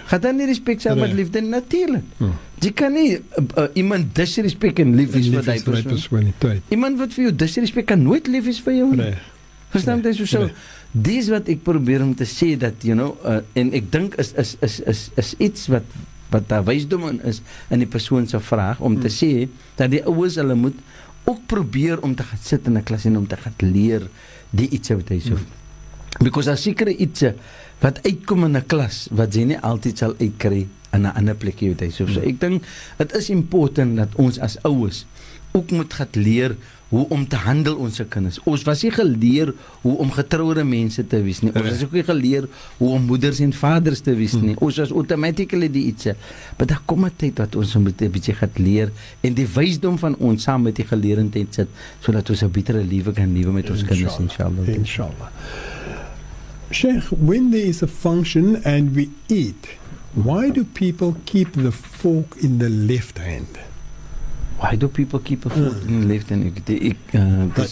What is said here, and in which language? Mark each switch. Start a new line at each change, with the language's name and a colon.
Afrikaans: Gaat dan die respect saam met liefde natuurlijk. Jy kan nie iemand disrespect en lief is vir die persoon. Iemand wat vir jou disrespect kan nooit lief is vir jou. Verstaan dit so? Dis wat ek probeer om te sê dat,
English: you know,
Afrikaans: en ek dink is iets wat daar wysdom in is, in die persoon se vraag, om te sê, dat die ouers hulle moet ook probeer om te gaan sit in die klas en om te gaan leer die iets wat hy so. Because daar sekere iets wat uitkom in die klas, wat jy nie altyd sal uitkry, in een ander plekje wat hy so. So ek dink, het is important dat ons as ouwes ook moet gaan leer hoe om te handel ons kinders. Ons was nie geleer hoe om getrouwde mense te wees nie. Ons was ook nie geleer hoe om moeders en vaders te wees nie. Ons was automatically die iets. Maar daar kom een tyd wat ons moet een beetje gaan leer en die wysdom van ons saam met die geleerendheid sit, so dat ons een betere lewe kan lewe met ons kinders. Inshallah.
English: Sheikh, when there is a function and we eat, why do people keep the fork in the left hand? Why do people keep a fork in the left hand?